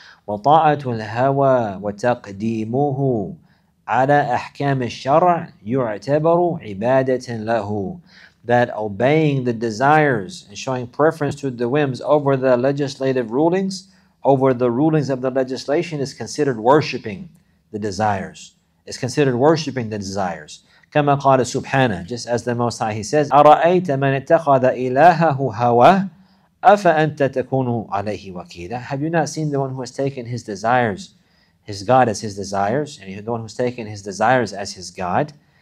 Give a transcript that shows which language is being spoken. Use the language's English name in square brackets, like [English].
[Arabic] وَطَاعَةُ الْهَوَى وَتَقْدِيمُهُ عَلَى أَحْكَامِ الشَّرْعِ يُعْتَبَرُ عِبَادَةً لَهُ. [English] That obeying the desires and showing preference to the whims over the legislative rulings, over the rulings of the legislation, is considered worshipping the desires. It's considered worshipping the desires. [Arabic] كَمَا قَالَ سُبْحَانَهُ, [English] just as the Most High, He says, [Arabic] أَرَأَيْتَ مَنِ اتَّخَذَ إِلَهَهُ هَوَى أَفَأَنْتَ تَكُونُ عَلَيْهِ وَكِيلًا. [English] Have you not seen the one who has taken his desires, his God as his desires, and the one who's taken his desires as his God?